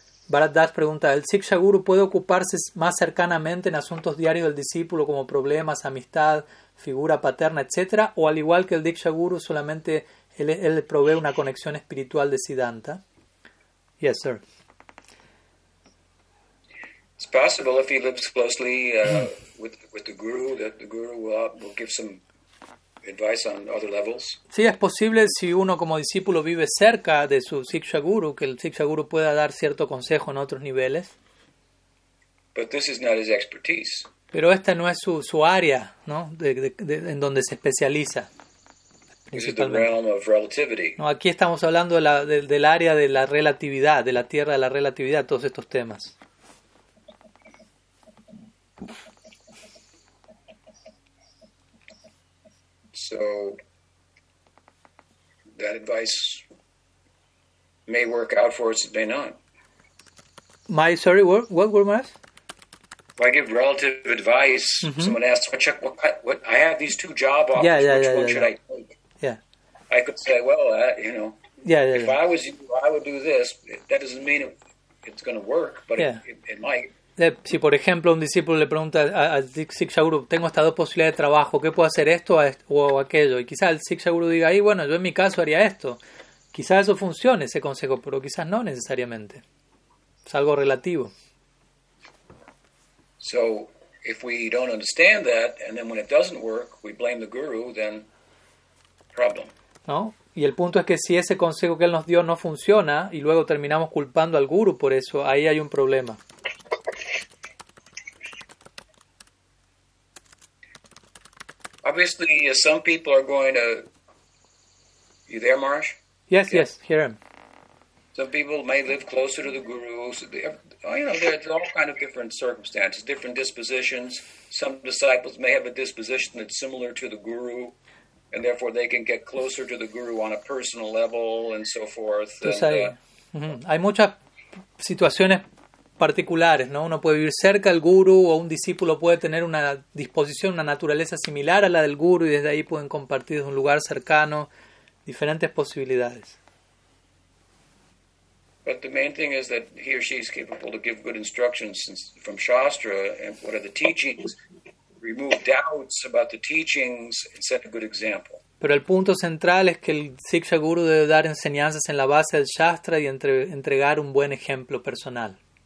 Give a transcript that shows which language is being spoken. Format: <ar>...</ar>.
<es>Bharat Das pregunta, ¿el Siksha Guru puede ocuparse más cercanamente en asuntos diarios del discípulo como problemas, amistad, figura paterna, etcétera? ¿O al igual que el Diksha Guru, solamente él provee una conexión espiritual de Siddhanta?</es> <en>Yes, sir. It's possible if he lives closely with the Guru, that the Guru will give some advice on other levels.</en> <es>Sí, es posible si uno como discípulo vive cerca de su Siksha Guru, que el Siksha Guru pueda dar cierto consejo en otros niveles.</es> <en>But this is not his expertise.</en> <es>Pero esta no es su área, ¿no? De en donde se especializa. Principalmente.</es> <en>This is the realm of relativity.</en> <es>No, aquí estamos hablando de del área de la relatividad, de la tierra de la relatividad, todos estos temas.</es> <en>So that advice may work out for us, it may not. What were my? If I give relative advice, someone asks, "What I have these two job offers, should I take?" Yeah. I could say, well, I was you, I would do this. That doesn't mean it's going to work, but it might.</en> <es>Si, por ejemplo, un discípulo le pregunta a Siksha Guru, tengo estas dos posibilidades de trabajo, ¿qué puedo hacer, esto o aquello? Y quizás el Siksha Guru diga, y bueno, yo en mi caso haría esto. Quizás eso funcione, ese consejo, pero quizás no necesariamente. Es algo relativo.</es> <en>So, if we don't understand that, and then when it doesn't work, we blame the Guru, then problem.</en> <es>¿No? Y el punto es que si ese consejo que él nos dio no funciona, y luego terminamos culpando al Guru por eso, ahí hay un problema.</es> <en>Obviously, some people are going to. You there, Marsh? Yes, here I am. Some people may live closer to the Guru. There's all kind of different circumstances, different dispositions. Some disciples may have a disposition that's similar to the Guru, and therefore they can get closer to the Guru on a personal level and so forth.</en> <es>Hay muchas situaciones particulares, ¿no? Uno puede vivir cerca del Guru o un discípulo puede tener una disposición, una naturaleza similar a la del Guru y desde ahí pueden compartir desde un lugar cercano diferentes posibilidades.</es> <en>But the main thing is that he or she is capable to give good instructions from Shastra and what are the teachings, remove doubts about the teachings and set a good example.</en> <es>Pero el punto central es que el Siksha Guru debe dar enseñanzas en la base del Shastra y entregar un buen ejemplo personal.</es>